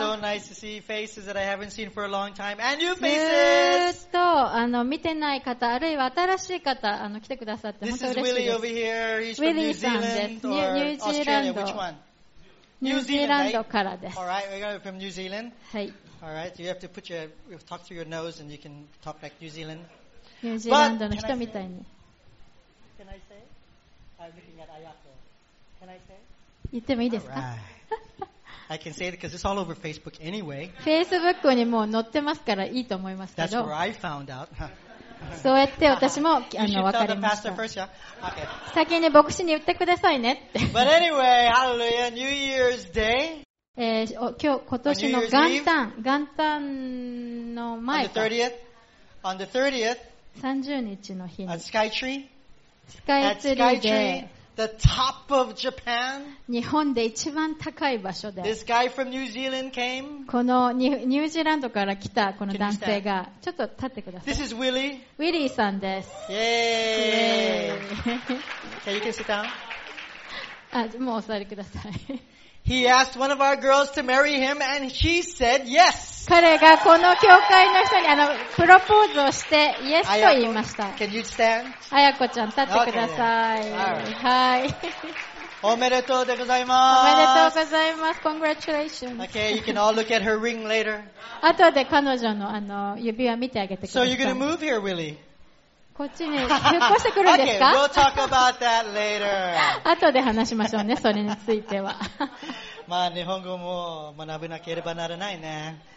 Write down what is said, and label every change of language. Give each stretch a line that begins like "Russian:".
English: It's so nice to see faces that I haven't seen for a long time, and new faces.
Japanese: ずっと見てない方あるいは新しい方来てくださって本当嬉しいです。
English: This is Willie over here. He's from New Zealand or New Zealand. Which one?
Japanese: New Zealand からです。
English: All right, we go from New Zealand.
Japanese: はい。
English: All right, you have to put your, you talk through your nose and you can talk like New Zealand.
Japanese: ニュージーランドの人みたいに。
English: Can I say? I'm looking at Ayako. Can I say?
Japanese: 言ってもいいですか？
English: I can say it because it's all over Facebook anyway.
Japanese: Facebook にもう載ってますからいいと思いますけど。
English: That's where I found out.
Japanese: そうやって私も分かりました。
English: First, yeah? okay.
Japanese: 先に牧師に言ってくださいねって。
English: But anyway, hallelujah, New Year's Day.
Japanese: 今年の元旦、元旦の前か。
English: On the 30th,
Japanese: 30日の日に。
English: At Sky Tree? Sky Tree
Japanese: で。
English: The top of Japan.
Japanese: 日本で一番高い場所で。
English: This guy from New Zealand came.
Japanese: このニュージーランドから来たこの男性が、ちょっと立ってください。
English: This is Willie.
Japanese: Willie さんです。
English: イェーイ。Okay, you can sit down.
Japanese: あ、もうお座りください。
English: He asked one of our girls to marry him and she said yes.
Japanese: 彼がこの教会の人にプロポーズをして yes と言いました。
English: Can you stand?
Japanese: あやこちゃん立ってください。はい。おめでとうでございます。おめでとうございます。
English: Congratulations. Okay, you can all look at her ring later.
Japanese: 後で彼女の指輪見てあげてください。
English: So you're gonna move here, Willie?
Japanese: こっちに引っ越してくるんですか？
English: Okay, we'll talk about that later.
Japanese: 後で話しましょうね、それについては。まあ、日本語も学べなければならないね。